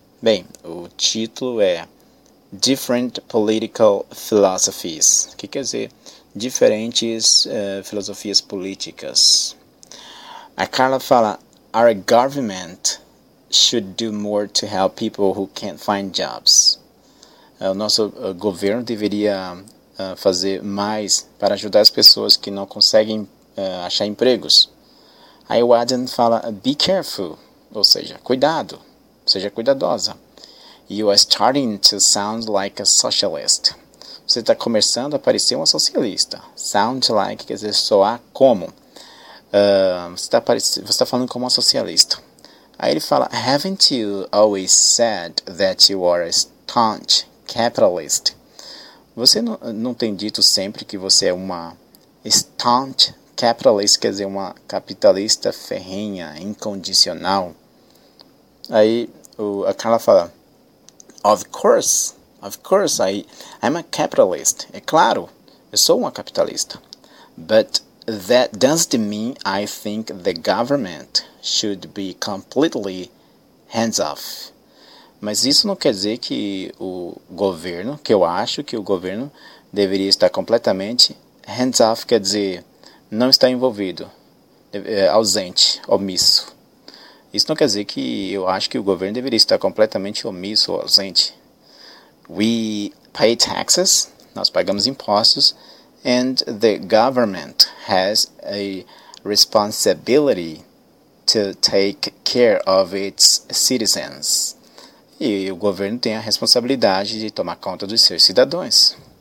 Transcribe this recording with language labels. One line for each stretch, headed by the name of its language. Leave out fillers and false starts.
Portuguese: Bem, o título é
English: Different Political Philosophies.
Portuguese: O que quer dizer? Diferentes filosofias políticas. A Carla fala,
English: Our government should do more to help people who can't find jobs.
Portuguese: O nosso governo deveria fazer mais para ajudar as pessoas que não conseguem achar empregos. Aí o Adam fala,
English: Be careful,
Portuguese: ou seja, cuidado, seja cuidadosa.
English: You are starting to sound like a socialist.
Portuguese: Você está começando a parecer uma socialista.
English: Sound like,
Portuguese: quer dizer, soar como. Você está falando como uma socialista. Aí ele fala,
English: Haven't you always said that you are a staunch capitalist?
Portuguese: Você não tem dito sempre que você é uma
English: staunch capitalist,
Portuguese: quer dizer, uma capitalista ferrenha, incondicional? Aí a Carla fala,
English: Of course, I'm a capitalist.
Portuguese: É claro, eu sou uma capitalista.
English: But that doesn't mean I think the government should be completely hands-off.
Portuguese: Mas isso não quer dizer que o governo, que eu acho que o governo deveria estar completamente hands-off, quer dizer, não está envolvido, ausente, omisso. Isso não quer dizer que eu acho que o governo deveria estar completamente omisso ou ausente.
English: We pay taxes,
Portuguese: nós pagamos impostos,
English: and the government has a responsibility to take care of its citizens.
Portuguese: E o governo tem a responsabilidade de tomar conta dos seus cidadãos.